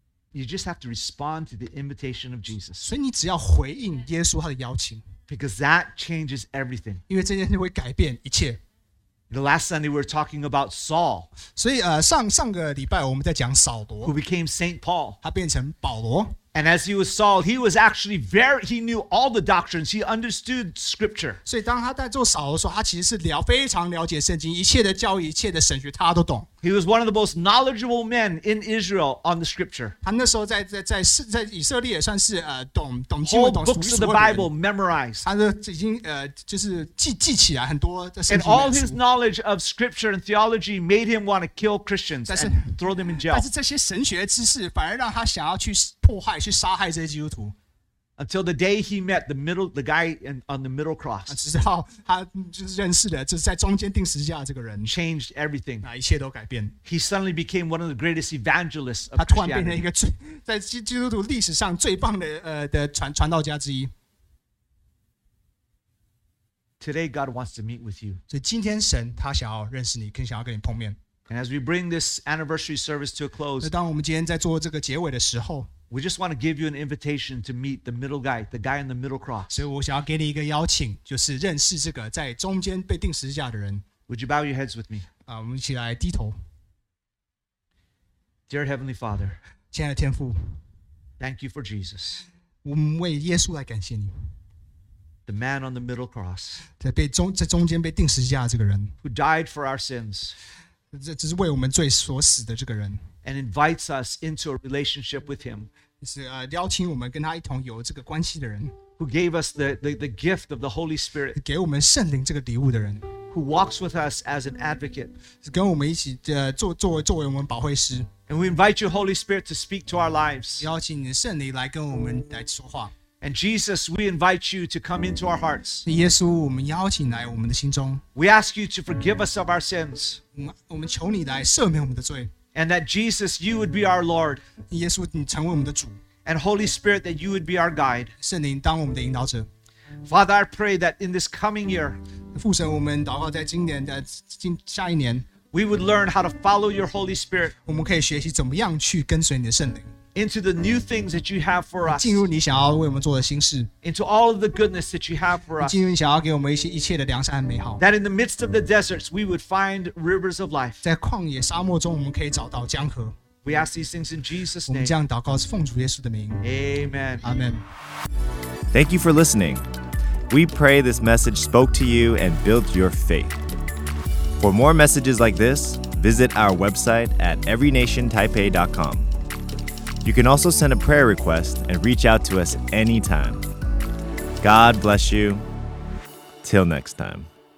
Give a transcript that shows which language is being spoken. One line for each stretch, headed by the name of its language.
English: You just have to respond to the invitation of Jesus.
Chinese: 所以你只要回应耶稣他的邀请。
English: Because that changes everything.
Chinese: 因为这件事会改变一切。
English: The last Sunday we were talking about Saul.
Chinese: 所以上个礼拜我们在讲扫罗。
English: Who became Saint Paul.
Chinese: 他变成保罗。
English: And as he was Saul, he was actually he knew all the doctrines. He understood scripture.
Chinese: 所以当他在做扫罗的时候，他其实是非常了解圣经，一切的教义，一切的神学他都懂。
English: He was one of the most knowledgeable men in Israel on the scripture.
Chinese: 他那时候在以色列也算是懂经文，懂
English: books of the Bible memorized.
Chinese: 他就已经就是记起来很多的圣经。
English: And all his knowledge of scripture and theology made him want to kill Christians and throw them in jail.
Chinese: 但是这些神学知识反而让他想要去迫害，去杀害这些基督徒。
English: Until the day he met the guy on the middle cross.
Chinese: 直到他就是认识的，就是在中间钉十字架的这个人。
English: Changed everything.
Chinese: 一切都改变。
English: He suddenly became one of the greatest evangelists of
Chinese: 他突然变成一个在基督徒历史上最棒的传道家之一。
English: Today God wants to meet with you.
Chinese: 所以今天神他想要认识你，更想要跟你碰面。
English: And as we bring this anniversary service to a close,
Chinese: 当我们今天在做这个结尾的时候。
English: We just want to give you an invitation to meet the guy in the middle cross.
Chinese: 所以我想要给你一个邀请，就是认识这个在中间被钉十字架的人。
English: Would you bow your heads with me?
Chinese: 我们一起来低头。
English: Dear Heavenly Father,
Chinese: 亲爱的天父,
English: thank you for Jesus.
Chinese: 我们为耶稣来感谢你。
English: The man on the middle cross,
Chinese: 在中间被钉十字架的这个人,
English: who died for our sins,
Chinese: 这只是为我们罪所死的这个人,
English: and invites us into a relationship with him,
Chinese: 就是邀请我们跟他一同有这个关系的人,
English: who gave us the gift of the Holy Spirit,
Chinese: 给我们圣灵这个礼物的人,
English: who walks with us as an advocate,
Chinese: 跟我们一起作为我们保惠师,
English: and we invite you, Holy Spirit, to speak to our lives,
Chinese: 邀请你圣灵来跟我们来说话。
English: And Jesus, we invite you to come into our hearts.
Chinese: 耶稣，我们邀请来我们的心中。
English: We ask you to forgive us of our sins.
Chinese: 我们求你来赦免我们的罪。
English: And that Jesus, you would be our Lord.
Chinese: 耶稣，你成为我们的主。
English: And Holy Spirit, that you would be our guide.
Chinese: 圣灵，当我们的引导者。
English: Father, I pray that in this coming year,
Chinese: 父神，我们祷告在今年的下一年。
English: We would learn how to follow your Holy Spirit.
Chinese: 我们可以学习怎么样去跟随你的圣灵。
English: Into the new things that you have for us.
Chinese: 进入你想要为我们做的新事。
English: Into all of the goodness that you have for us.
Chinese: 进入你想要给我们一切的良善和美好。
English: That in the midst of the deserts, we would find rivers of life.
Chinese: 在旷野沙漠中，我们可以找到江河。
English: We ask these things in Jesus' name.
Chinese: 我们这样祷告是奉主耶稣的名。
English: Amen. Amen. Thank you for listening. We pray this message spoke to you and built your faith. For more messages like this, visit our website at everynationtaipei.com. You can also send a prayer request and reach out to us anytime. God bless you. Till next time.